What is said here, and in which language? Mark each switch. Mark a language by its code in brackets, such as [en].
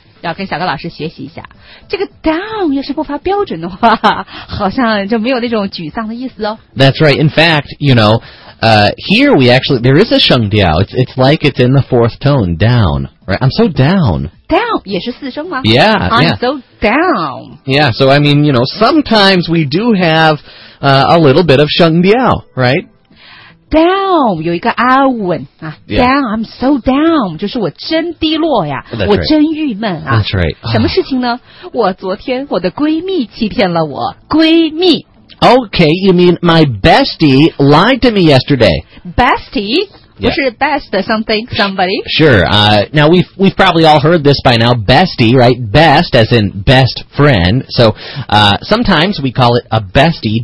[zh] 要跟小高老师学习一下这个 down 要是不发标准的话好像就没有那种沮丧的意思哦 [en] That's right, in fact, you know, here we actually, there is a 声调 it's like it's in the fourth tone, down, right? I'm so down [zh] Down 也是四声吗 [en] Yeah, I'm yeah. so down Yeah, so I mean, you know, sometimes we do have a little bit of 声调 right? [zh] Down 有一个阿稳啊 ，Down、 I'm so down，就是我真低落呀， [en] That's、 [zh] 我、 [en] right. [zh] 真郁闷啊。 [en] That's right。 [zh] 什么事情呢？我昨天我的闺蜜欺骗了我，闺蜜。 [en] Okay, you mean my bestie lied to me yesterday. Bestie、yeah. 不是 best something somebody. Sure. Now we've probably all heard this by now. Bestie, right? Best as in best friend. So sometimes we call it a bestie.